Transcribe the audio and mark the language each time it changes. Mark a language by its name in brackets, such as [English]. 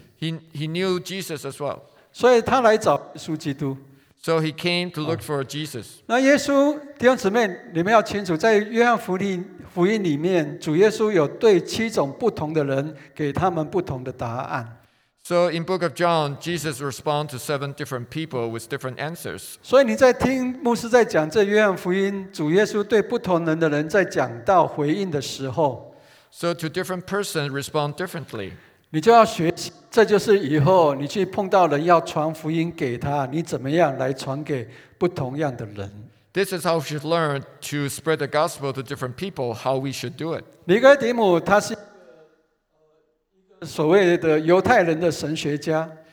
[English] He knew Jesus as well. [Chinese] 所以他来找耶稣基督。 [English] So he came to look for Jesus. [Chinese] 那耶稣，弟兄姊妹，你们要清楚，在约翰福音里面，主耶稣有对七种不同的人给他们不同的答案。 [English] So in Book of John, Jesus responds to 7 different people with different answers. [Chinese] 所以你在听牧师在讲这约翰福音，主耶稣对不同人的人在讲到回应的时候。 [English] So to different persons respond differently. [Chinese] 你就要学习，这就是以后你去碰到人要传福音给他，你怎么样来传给不同样的人。 [English] This is how we should learn to spread the gospel to different people, how we should do it. [Chinese] 尼哥底母他是所谓的犹太人的神学家。